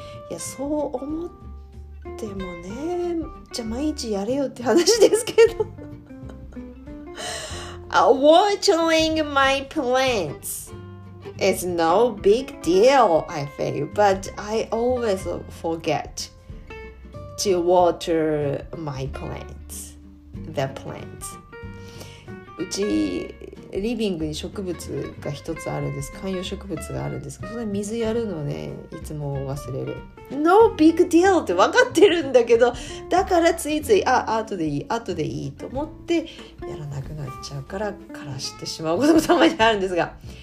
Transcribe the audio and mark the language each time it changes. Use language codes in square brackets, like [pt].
[ja] いや、そう思ってもね、じゃあ、毎日やれよって話ですけど。 [en] Watering my plants is no big deal, I think, but I always forget to water my plants, the plants. [ja] うちリビングに植物が一つあるんです。観葉植物があるんですけど、それ水やるのね、いつも忘れる。 [en] No big deal [ja] って分かってるんだけど、だからついつい、あ、後でいい、後でいいと思ってやらなくなっちゃうから、枯らしてしまうこともたまにあるんですが。